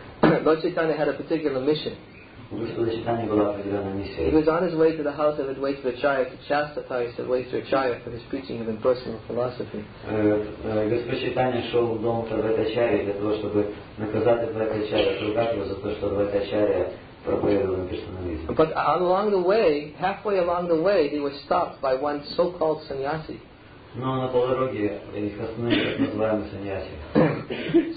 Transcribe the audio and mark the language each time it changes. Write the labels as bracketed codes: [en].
[en] Lord Chaitanya had a particular mission. [ru] У Господа Чайтанья была определенная миссия. [en] He was on his way to the house of Advaita Acharya to chastise Advaita Acharya for his preaching of impersonal philosophy. [ru] Господь Чайтанья шел в дом Адвайта Ачарьи для того, чтобы наказать Адвайта Ачарьи, отругать его за то, что Адвайта Ачарья. [en] But along the way, halfway along the way, they were stopped by one so-called sannyasi. [ru] Но на полдороге их остановили так называемый сannyasi.